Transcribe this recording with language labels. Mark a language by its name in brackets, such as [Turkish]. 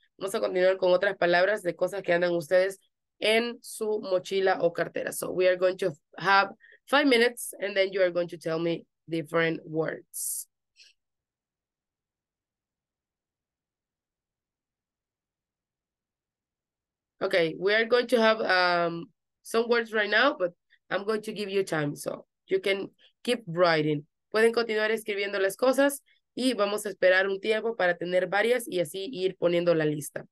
[Spanish] Vamos a continuar con otras palabras de cosas que andan ustedes en su mochila o cartera. [English] So we are going to have 5 minutes and then you are going to tell me different words. Okay, we are going to have some words right now, but I'm going to give you time so you can keep writing. [Spanish] Pueden continuar escribiendo las cosas y vamos a esperar un tiempo para tener varias y así ir poniendo la lista.